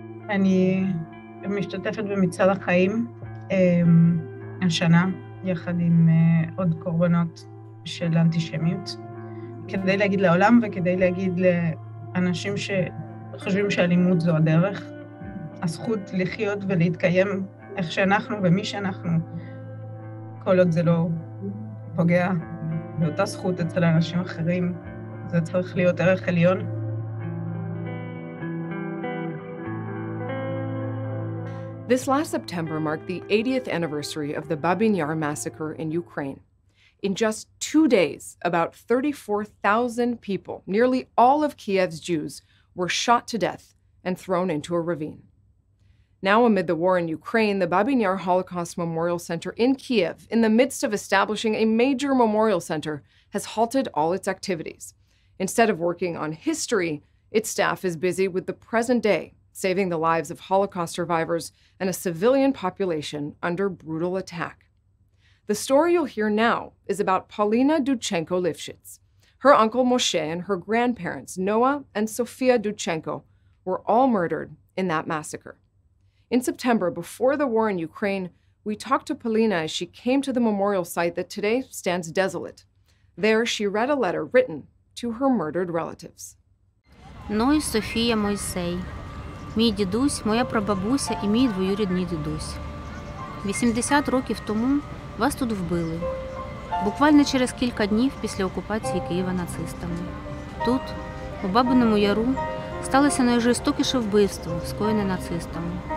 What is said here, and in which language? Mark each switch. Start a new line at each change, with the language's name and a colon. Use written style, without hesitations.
Hebrew: אני משתתפת במצעד החיים השנה, יחד עם עוד קורבנות של אנטישמיות, כדי להגיד לעולם וכדי להגיד לאנשים שחושבים שאלימות זו הדרך, הזכות לחיות ולהתקיים איך שאנחנו ומי שאנחנו, כל עוד זה לא פוגע באותה זכות אצל אנשים אחרים, זה צריך להיות ערך עליון.
English: This last September marked the 80th anniversary of the Babin Yar massacre in Ukraine. In just 2 days, about 34,000 people, nearly all of Kiev's Jews, were shot to death and thrown into a ravine. Now, amid the war in Ukraine, the Babin Yar Holocaust Memorial Center in Kiev, in the midst of establishing a major memorial center, has halted all its activities. Instead of working on history, its staff is busy with the present day, saving the lives of Holocaust survivors and a civilian population under brutal attack. The story you'll hear now is about Paulina Dudchenko-Lifshitz. Her uncle Moshe and her grandparents, Noah and Sofia Dudchenko, were all murdered in that massacre. In September, before the war in Ukraine, we talked to Paulina as she came to the memorial site that today stands desolate. There, she read a letter written to her murdered relatives.
Ukrainian: Ной Софія Мойсей. Мій дідусь, моя прабабуся і мій двоюрідний дідусь. 80 років тому вас тут вбили. Буквально через кілька днів після окупації Києва нацистами. Тут, у Бабиному Яру, сталося найжорстокіше вбивство, скоєне нацистами.